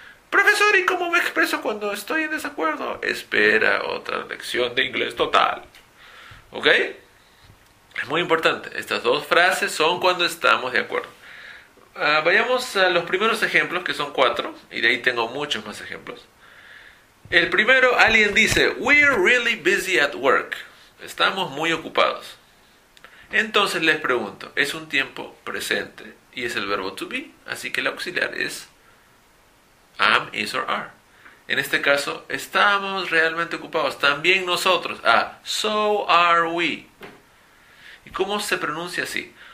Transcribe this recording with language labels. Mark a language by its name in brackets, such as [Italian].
[Spanish] Profesor, ¿y cómo me expreso cuando estoy en desacuerdo? Espera otra lección de inglés total. ¿Ok? Es muy importante. Estas dos frases son cuando estamos de acuerdo. Vayamos a los primeros ejemplos, que son cuatro. Y de ahí tengo muchos más ejemplos. El primero, alguien dice, [English] we're really busy at work. [Spanish] Estamos muy ocupados. Entonces les pregunto, es un tiempo presente y es el verbo to be. Así que el auxiliar es am, is or are. En este caso, estamos realmente ocupados. También nosotros. [English] So are we. [Spanish] ¿Y cómo se pronuncia así?